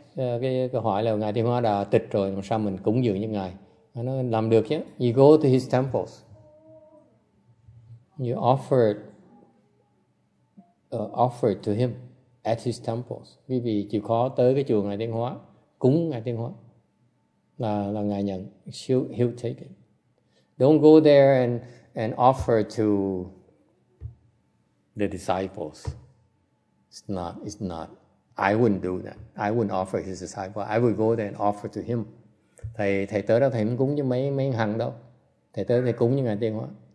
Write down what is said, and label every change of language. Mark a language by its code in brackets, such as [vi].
[vi] Cái hỏi là Ngài Thiên Hóa đã tịch rồi, làm sao mình cúng dường như Ngài? Nó làm được chứ. [en] You go to his temples. You offer to him at his temples. [vi] Quý vị chịu khó tới cái chùa Ngài Thiên Hóa, cúng Ngài Thiên Hóa. Là Ngài nhận. [en] He'll take it. Don't go there and offer to the disciples. It's not. I wouldn't do that. I wouldn't offer his disciple. I would go there and offer to him. [vi] Thầy tới đó thầy không cúng cho mấy hằng đâu. Thầy tới thầy cúng cho Ngài Tiên Hóa.